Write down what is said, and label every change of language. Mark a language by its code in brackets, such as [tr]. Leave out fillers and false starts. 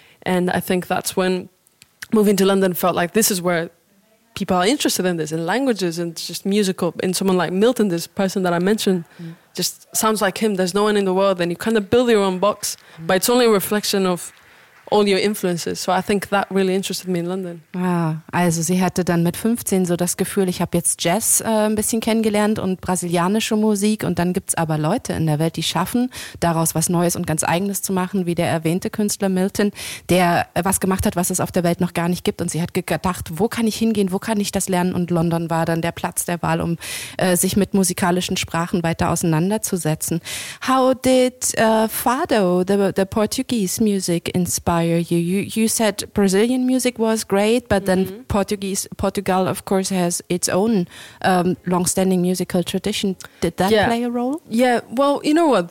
[en] And I think that's when moving to London felt like, this is where people are interested in this, in languages and just musical, in someone like Milton, this person that I mentioned, just sounds like him. There's no one in the world, and you kind of build your own box, but it's only a reflection of all your influences. So I think that really interested me in London. [de] Ah, also sie hatte dann mit 15 so das Gefühl, ich habe jetzt Jazz ein bisschen kennengelernt und brasilianische Musik und dann gibt's aber Leute in der Welt, die schaffen, daraus was Neues und ganz Eigenes zu machen, wie der erwähnte Künstler Milton, der was gemacht hat, was es auf der Welt noch gar nicht gibt. Und sie hat gedacht, wo kann ich hingehen, wo kann ich das lernen? Und London war dann der Platz der Wahl, um sich mit musikalischen Sprachen weiter auseinanderzusetzen. [en] How did Fado, the Portuguese music, inspire you? You said Brazilian music was great, but then Portugal, of course, has its own long-standing musical tradition. Did that play a role? Yeah, well, you know what?